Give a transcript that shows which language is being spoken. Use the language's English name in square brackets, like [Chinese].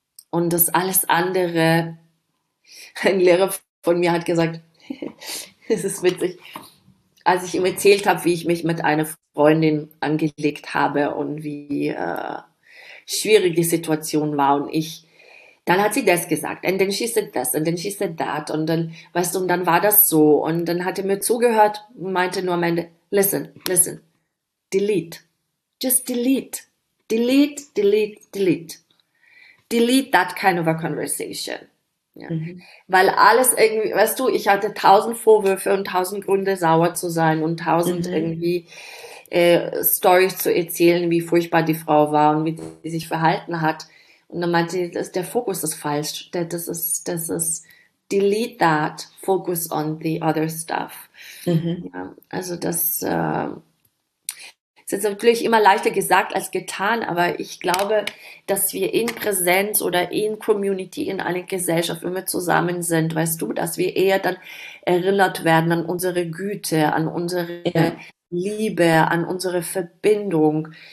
[German] Und das alles andere, ein Lehrer von mir hat gesagt, es ist witzig, als ich ihm erzählt habe, wie ich mich mit einer Freundin angelegt habe und wie schwierig die Situation war. Und ich, dann hat sie das gesagt, und dann [English] she said [German] das, und dann [English] she said that, [German] und dann, weißt du, und dann war das so. Und dann hat er mir zugehört und meinte nur am Ende, [English] listen, listen, delete, just delete, delete, [German] delete, delete. [English] Delete that kind of a conversation. [German] Ja. Weil alles irgendwie, weißt du, ich hatte tausend Vorwürfe und tausend Gründe, sauer zu sein und tausend irgendwie Storys zu erzählen, wie furchtbar die Frau war und wie sie sich verhalten hat. Und dann meinte sie, der Fokus ist falsch. Das ist [English] delete that, focus on the other stuff. [German] Ja. Also das ist jetzt natürlich immer leichter gesagt als getan, aber ich glaube, dass wir in Präsenz oder in Community, in einer Gesellschaft, wenn wir zusammen sind, weißt du, dass wir eher dann erinnert werden an unsere Güte, an unsere Liebe, an unsere Verbindung.